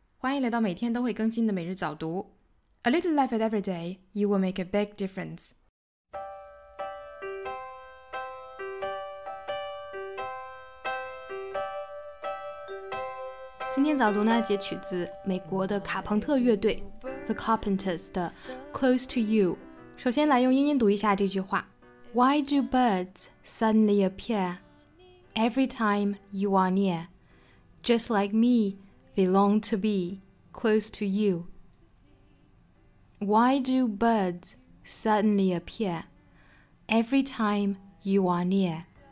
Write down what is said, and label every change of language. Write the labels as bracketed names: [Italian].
[Chinese] 欢迎来到每天都会更新的每日早读。 [English] A little life at every day, you will make a big difference. [Chinese] Today's 早读呢截取自美国的卡朋特乐队 The Carpenters 的 Close to You. 首先来用英音读一下这句话 [English] Why do birds suddenly appear every time you are near? Just like me, they long to be close to you. Why do birds suddenly appear every time you are near?